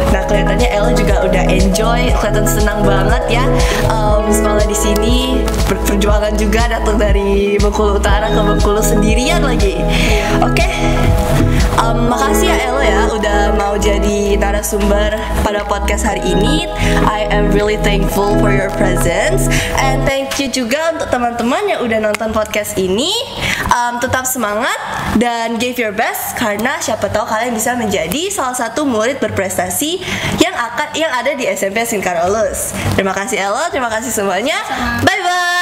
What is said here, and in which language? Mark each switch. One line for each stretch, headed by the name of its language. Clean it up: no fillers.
Indonesian: Nah, kelihatannya Ella juga udah enjoy, kelihatan senang banget ya sekolah di sini. Perjuangan juga datang dari Bengkulu Utara ke Bengkulu sendirian lagi. Oke. Makasih ya Ella ya, udah mau jadi narasumber pada podcast hari ini.
English: I am really thankful for your presence. And thank you
Indonesian: juga untuk teman-teman yang udah nonton podcast ini. Tetap semangat dan
English: give your best,
Indonesian: karena siapa tahu kalian bisa menjadi salah satu murid berprestasi yang ada di SMP St. Carlos. Terima kasih Ella, terima kasih semuanya. Bye-bye.